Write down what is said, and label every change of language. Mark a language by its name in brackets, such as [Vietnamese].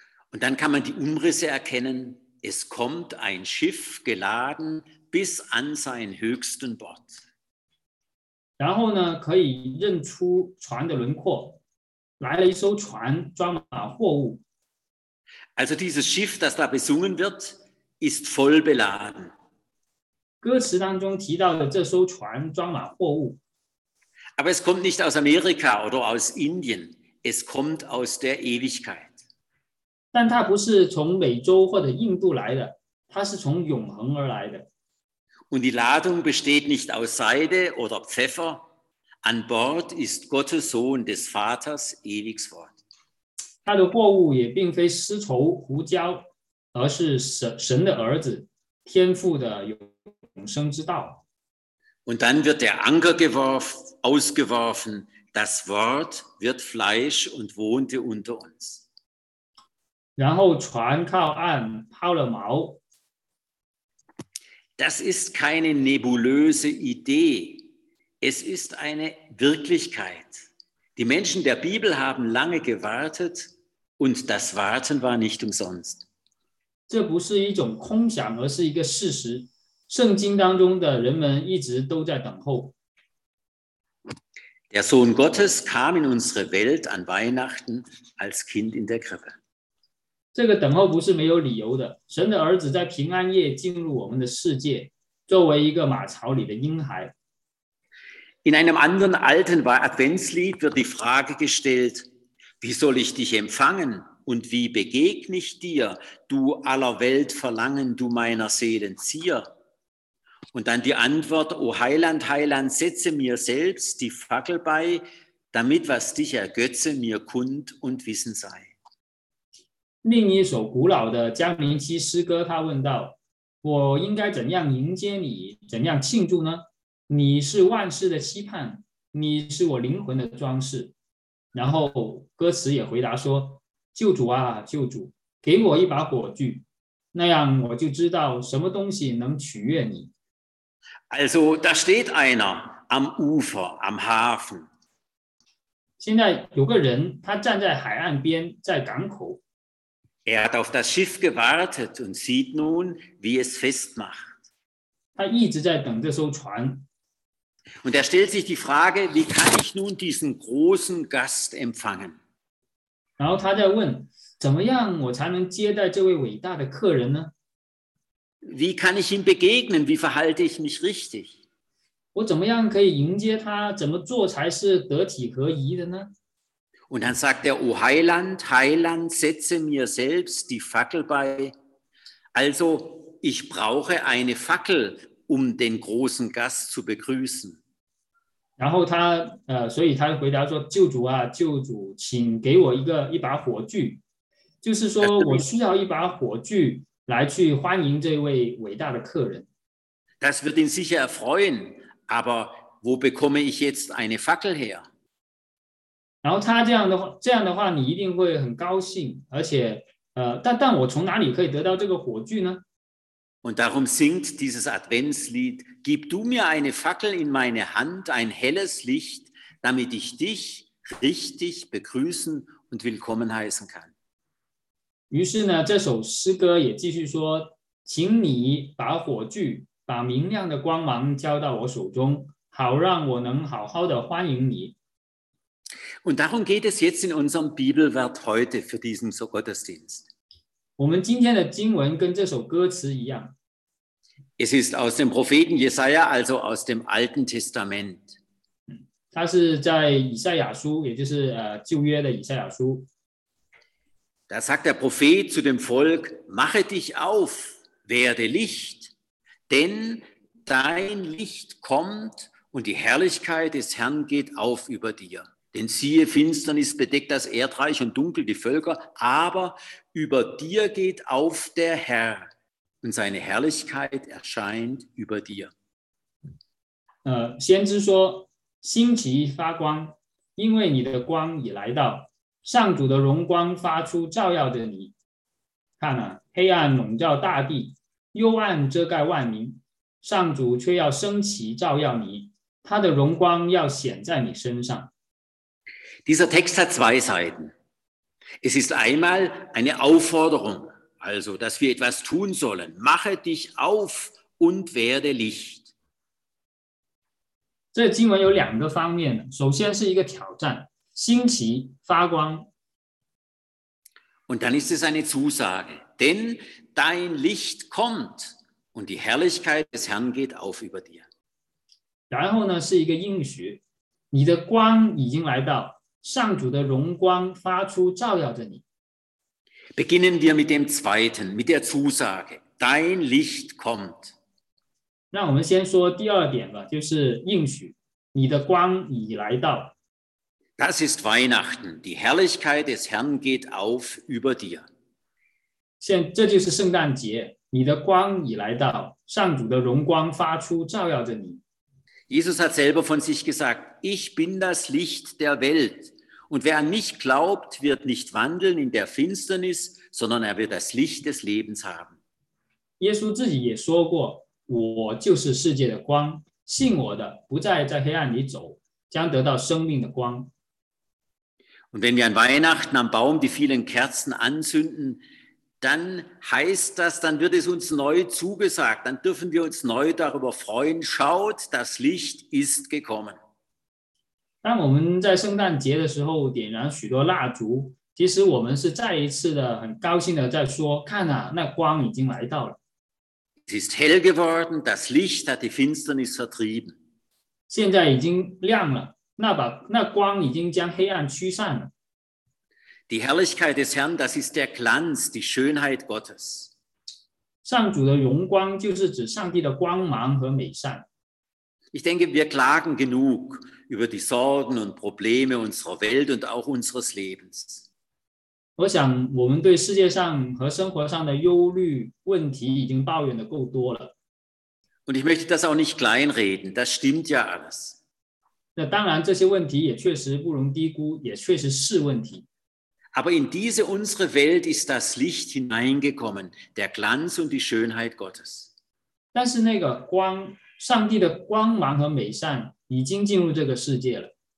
[German] Und dann kann man die Umrisse erkennen. Es kommt ein Schiff geladen bis an seinen höchsten Bord. [Chinese] 然后呢，可以认出船的轮廓，来了一艘船，装满货物。 [German] Also dieses Schiff, das da besungen wird, ist voll beladen. [Chinese] 歌词当中提到的这艘船装满货物。 [German] Aber es kommt nicht aus Amerika oder aus Indien, es kommt aus der Ewigkeit. [Chinese] 但它不是从美洲或者印度来的，它是从永恒而来的。 [German] Und die Ladung besteht nicht aus Seide oder Pfeffer. An Bord ist Gottes Sohn des Vaters ewiges Wort. [Chinese] 它的货物也并非丝绸、胡椒，而是神的儿子，天父的永生之道。 [German] Und dann wird der Anker geworfen, ausgeworfen. Das Wort wird Fleisch und wohnte unter uns. [Chinese] 然后船靠岸，抛了锚。 [German] Das ist keine nebulöse Idee. Es ist eine Wirklichkeit. Die Menschen der Bibel haben lange gewartet und das Warten war nicht umsonst. [Chinese] 这不是一种空想，而是一个事实。圣经当中的人们一直都在等候。 [German] Der Sohn Gottes kam in unsere Welt an Weihnachten als Kind in der Krippe. [Chinese] 这个等候不是没有理由的。神的儿子在平安夜进入我们的世界，作为一个马槽里的婴孩。 [German] In einem anderen alten Adventslied wird die Frage gestellt: Wie soll ich dich empfangen und wie begegne ich dir, du aller Welt Verlangen, du meiner Seelen Zier? Und dann die Antwort, O Heiland, Heiland, setze mir selbst die Fackel bei, damit was dich ergötze mir kund und wissen sei. [Chinese] 另一首古老的江陵七诗歌，他问道：我应该怎样迎接你，怎样庆祝呢？你是万事的期盼，你是我灵魂的装饰。然后歌词也回答说：救主啊，救主，给我一把火炬，那样我就知道什么东西能取悦你。 [German] Also, da steht einer am Ufer, am Hafen. [Chinese] 现在有个人，他站在海岸边，在港口。 [German] Er hat auf das Schiff gewartet und sieht nun, wie es festmacht. [Chinese] 他一直在等这艘船。 [German] Und er stellt sich die Frage, wie kann ich nun diesen großen Gast empfangen? [Chinese] 然后他在问，怎么样我才能接待这位伟大的客人呢？ [German] Wie kann ich ihm begegnen? Wie verhalte ich mich richtig? [Chinese] 我怎么样可以迎接他？怎么做才是得体合宜的呢？ [German] Und dann sagt er, O Heiland, Heiland, setze mir selbst die Fackel bei. Also, ich brauche eine Fackel, um den großen Gast zu begrüßen. [Chinese] 然后他，所以他回答说，救主啊，救主，请给我一把火炬。就是说我需要一把火炬。来去欢迎这位伟大的客人。 [German] Das wird ihn sicher erfreuen, aber wo bekomme ich jetzt eine Fackel her? [Chinese] 然后他这样的话，你一定会很高兴，而且，但我从哪里可以得到这个火炬呢？ [German] Und darum singt dieses Adventslied, gib du mir eine Fackel in meine Hand, ein helles Licht, damit ich dich richtig begrüßen und willkommen heißen kann. [Chinese] 于是呢，这首诗歌也继续说：“请你把火炬，把明亮的光芒交到我手中，好让我能好好的欢迎你。” [German] Und darum geht es jetzt in unserem Bibelwort heute für diesen Gottesdienst. [Chinese] 我们今天的经文跟这首歌词一样。 [German] Es ist aus dem Propheten Jesaja, also aus dem Alten Testament. [Chinese] 他是在以赛亚书，也就是旧约的以赛亚书。 [German] Da sagt der Prophet zu dem Volk: Mache dich auf, werde Licht, denn dein Licht kommt und die Herrlichkeit des Herrn geht auf über dir. Denn siehe, Finsternis bedeckt das Erdreich und dunkel die Völker, aber über dir geht auf der Herr und seine Herrlichkeit erscheint über dir. [Chinese] 先知说，兴起发光，因为你的光已来到。上主的荣光发出，照耀着你。看啊，黑暗笼罩大地，幽暗遮盖万民，上主却要升起照耀你，他的荣光要显在你身上。 [German] Dieser Text hat zwei Seiten. Es ist einmal eine Aufforderung, also dass wir etwas tun sollen. Mache dich auf und werde Licht. [Chinese] 这经文有两个方面，首先是一个挑战，兴起发光。 [German] Und dann ist es eine Zusage, denn dein Licht kommt und die Herrlichkeit des Herrn geht auf über dir. [Chinese] 然后呢，是一个应许，你的光已经来到，上主的荣光发出，照耀着你。 [German] Beginnen wir mit dem zweiten, mit der Zusage, dein Licht kommt. [Chinese] 那我们先说第二点吧，就是应许，你的光已来到。 [German] Das ist Weihnachten. Die Herrlichkeit des Herrn geht auf über dir. [Chinese] 这就是圣诞节，你的光已来到，上主的荣光发出，照耀着你。 [German] Jesus hat selber von sich gesagt, ich bin das Licht der Welt. Und wer an mich glaubt, wird nicht wandeln in der Finsternis, sondern er wird das Licht des Lebens haben. [Chinese] 耶稣自己也说过，我就是世界的光，信我的，不再在黑暗里走。将得到生命的光。 [German] Und wenn wir an Weihnachten am Baum die vielen Kerzen anzünden, dann heißt das, dann wird es uns neu zugesagt, dann dürfen wir uns neu darüber freuen, schaut, das Licht ist gekommen. [Chinese] 当我们在圣诞节的时候点燃许多蜡烛，其实我们是再一次的很高兴的在说，看啊，那光已经来到了。 [German] Es ist hell geworden, das Licht hat die Finsternis vertrieben. [Chinese] 现在已经亮了，那光已经将黑暗驱散了。 [German] Die Herrlichkeit des Herrn, das ist der Glanz, die Schönheit Gottes. [Chinese] 上主的荣光就是指上帝的光芒和美善。 [German] Ich denke, wir klagen genug über die Sorgen und Probleme unserer Welt und auch unseres Lebens. [Chinese] 我想我们对世界上和生活上的忧虑问题已经抱怨的够多了。 [German] Und ich möchte das auch nicht kleinreden, das stimmt ja alles. [Chinese] 那当然，这些问题也确实不容低估，也确实是问题。 [German] Aber in diese unsere Welt ist das Licht hineingekommen, der Glanz und die Schönheit Gottes. [Chinese] 但是那个光，上帝的光芒和美善已经进入这个世界了。